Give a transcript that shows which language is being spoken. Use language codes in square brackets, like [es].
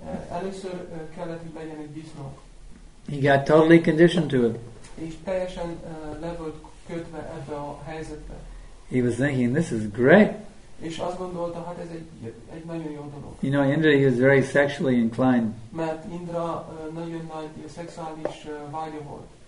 [hu] Először kellett, hogy legyen egy disznó. [en] He got totally conditioned to it. [hu] És teljesen le volt kötve ebbe a helyzetbe. [en] He was thinking, this is great. [hu] És azt gondolta, hát ez egy nagyon jó dolog. [en] You know, Indra, he was very sexually inclined. [hu] Mert Indra nagyon nagy szexuális vágya volt.